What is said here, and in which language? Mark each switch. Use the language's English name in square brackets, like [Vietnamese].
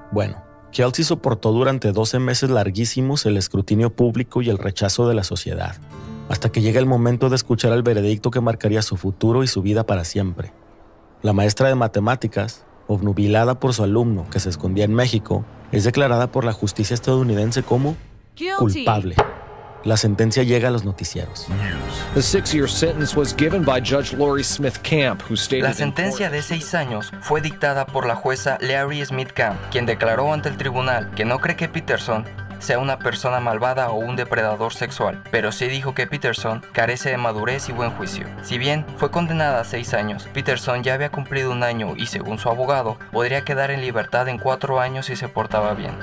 [Spanish] Bueno, Kelsey soportó durante 12 meses larguísimos el escrutinio público y el rechazo de la sociedad, hasta que llega el momento de escuchar el veredicto que marcaría su futuro y su vida para siempre. La maestra de matemáticas, obnubilada por su alumno que se escondía en México, es declarada por la justicia estadounidense como culpable. La sentencia llega a los noticieros. [English] The six-year sentence was given by Judge Lori Smith Camp, who stated. [Spanish] La sentencia de 6 años fue dictada por la jueza Larry Smith Camp, quien declaró ante el tribunal que no cree que Peterson sea una persona malvada o un depredador sexual, pero sí dijo que Peterson carece de madurez y buen juicio. Si bien fue condenada a 6 años, Peterson ya había cumplido 1 año y, según su abogado, podría quedar en libertad en 4 años si se portaba bien.